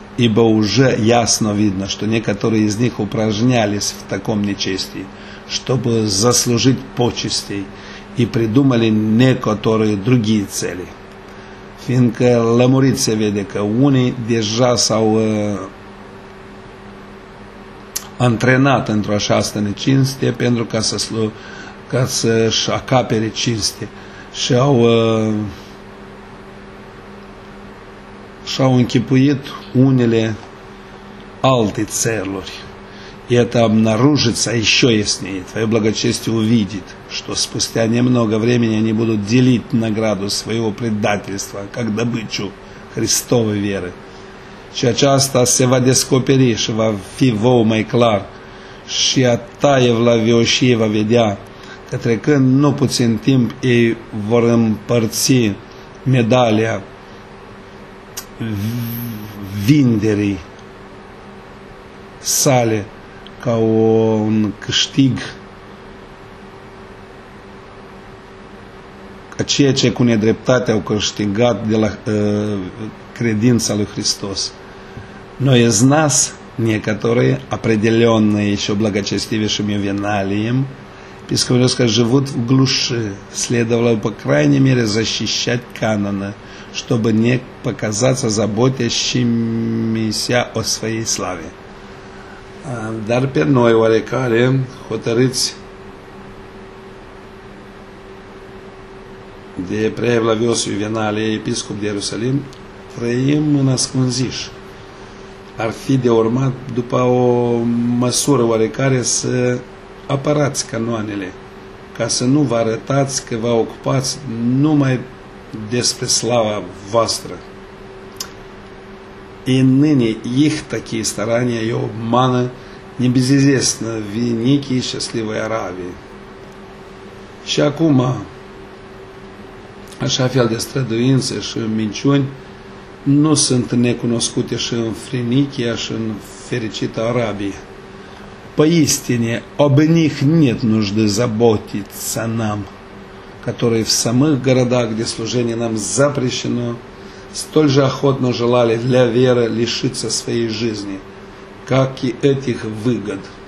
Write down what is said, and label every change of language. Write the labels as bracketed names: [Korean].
[Russian] Ибо уже ясно видно, что некоторые из них упражнялись в таком нечестии, чтобы заслужить почестей, и придумали некоторые другие цели. [Romanian] Fiindcă lămurit se vede că unii deja s-au antrenat într-o așa necinstie pentru ca să să-și acapere cinstie și au și-au închipuit unele alte țeluri. [Russian] Это обнаружится еще яснее. Твое благочестие увидит, что спустя немного времени они будут делить награду своего предательства, как добычу Христовой веры. [Romanian] Ce aceasta se va descoperi și va fi vouă mai clar și a ta evlavioșie va vedea că trecând nu puțin timp ei vor împărți medalia vinderii sale ca un câștig, ca ceea ce cu nedreptate au câștigat de la credința lui Hristos. [Russian] Но из нас некоторые, определенные еще благочестивейшими виналием, писковинска живут в глуши, следовало бы, по крайней мере, защищать каноны, чтобы не показаться заботящимися о своей славе. [Romanian] Dar pe noi oarecare hotărâți de preevlavios Juvenalie, episcop de Ierusalim, trăim în ascunziși. Ar fi de urmat după o măsură oarecare să apărați canoanele, ca să nu vă arătați că vă ocupați numai despre slava voastră. [Russian] И ныне их такие старания и обманы небезызвестны в некие счастливой Аравии. [Romanian] Și acum, așa fel de străduințe și minciuni nu sunt necunoscute și în Фриникия, și în fericită Арабия. [Russian] Поистине, об них нет нужды заботиться нам, которые в самых городах, где служение нам запрещено, столь же охотно желали для веры лишиться своей жизни, как и этих выгод.